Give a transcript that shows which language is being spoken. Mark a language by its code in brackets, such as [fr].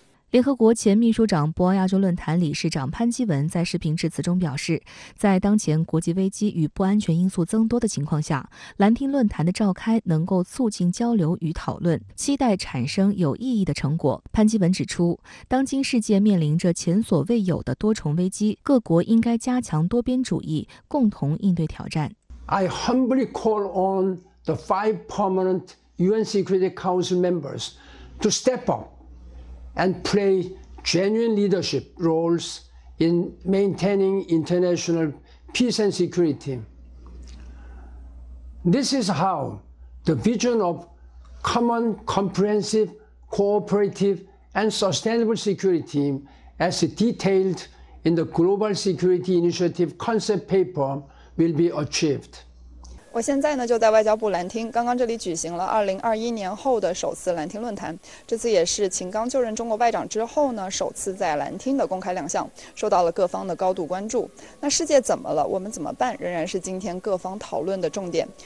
[zh] 联合国前秘书长、博鳌亚洲论坛理事长潘基文在视频致辞中表示，在当前国际危机与不安全因素增多的情况下，蓝厅论坛的召开能够促进交流与讨论，期待产生有意义的成果。潘基文指出，当今世界面临着前所未有的多重危机，各国应该加强多边主义，共同应对挑战。 [en] I humbly call on the 5 permanent UN Security Council members to step up and play genuine leadership roles in maintaining international peace and security. This is how the vision of common, comprehensive, cooperative, and sustainable security, as detailed in the Global Security Initiative concept paper, will be achieved. [zh] 我现在呢就在外交部蓝厅，刚刚这里举行了2021年后的首次蓝厅论坛，这次也是秦刚就任中国外长之后呢首次在蓝厅的公开亮相，受到了各方的高度关注。那世界怎么了，我们怎么办，仍然是今天各方讨论的重点。